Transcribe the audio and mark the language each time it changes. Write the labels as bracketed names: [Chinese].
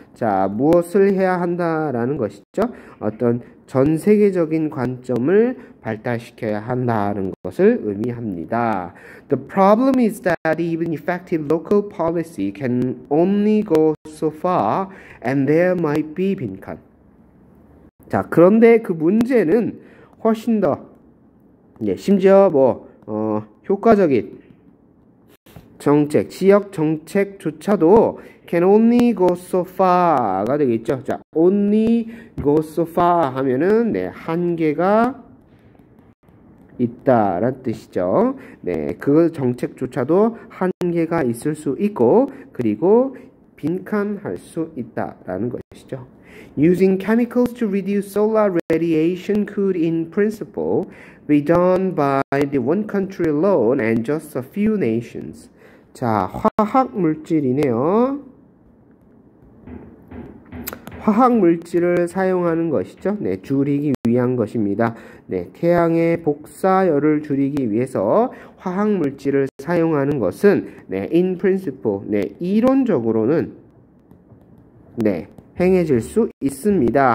[Korean] 자, 무엇을 해야 한다라는 것이죠? 어떤 전 세계적인 관점을 발달시켜야 한다는 것을 의미합니다. [English] The problem is that even effective local policy can only go so far and there might be 빈칸. [Korean] 자, 그런데 그 문제는 훨씬 더, 예, 심지어 뭐, 효과적인 정책, 지역 정책조차도 [English] can only go so far [Korean] 가 되겠죠. 자, [English] only go so far [Korean] 하면은 네, 한계가 있다라는 뜻이죠. 네, 그 정책조차도 한계가 있을 수 있고, 그리고 빈칸할 수 있다라는 것이죠. [English] Using chemicals to reduce solar radiation could, in principle, be done by the one country alone and just a few nations. [Korean] 자, 화학 물질이네요. 화학 물질을 사용하는 것이죠. 네, 줄이기 위한 것입니다. 네, 태양의 복사열을 줄이기 위해서 화학 물질을 사용하는 것은 네, [English] in principle, [Korean] 네, 이론적으로는 네, 행해질 수 있습니다.